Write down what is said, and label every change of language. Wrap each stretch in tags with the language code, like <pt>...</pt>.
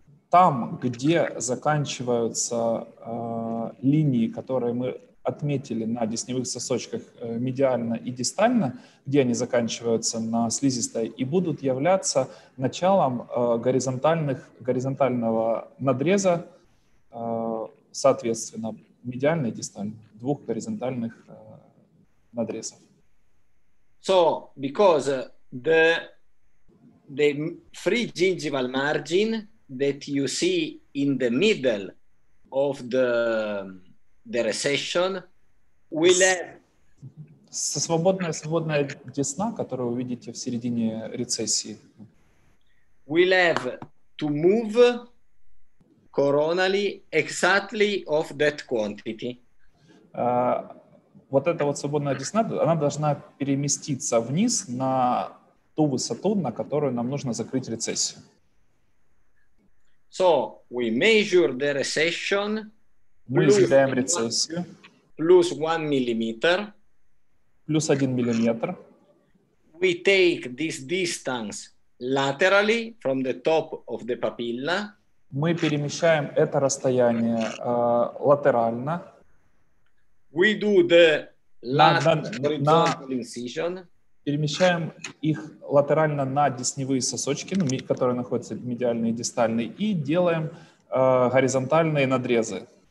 <ru>Там, где заканчиваются линии, которые мы отметили на десневых сосочках медиально и дистально, где они заканчиваются на слизистой, и будут являться началом горизонтального надреза, соответственно, медиально и дистально, двух горизонтальных надрезов.</ru> <en>So, because the free gingival margin that you see in the middle of the recession will have</en> <ru>свободная десна, которую вы видите в середине рецессии,</ru> <en>will have to move coronally exactly of that quantity.</en> <ru>Вот эта вот свободная десна, она должна переместиться вниз на ту высоту, на которую нам нужно закрыть рецессию.</ru> <en>So we measure the recession plus 1 millimeter. Plus 1 millimeter. We take this distance laterally from the top of the papilla.</en> <ru>Мы перемещаем это расстояние латерально.</ru> <en>We do the horizontal incision.</en> <ru>Перемещаем их латерально на десневые сосочки, которые находятся медиальные и дистальные, и делаем горизонтальные надрезы.</ru>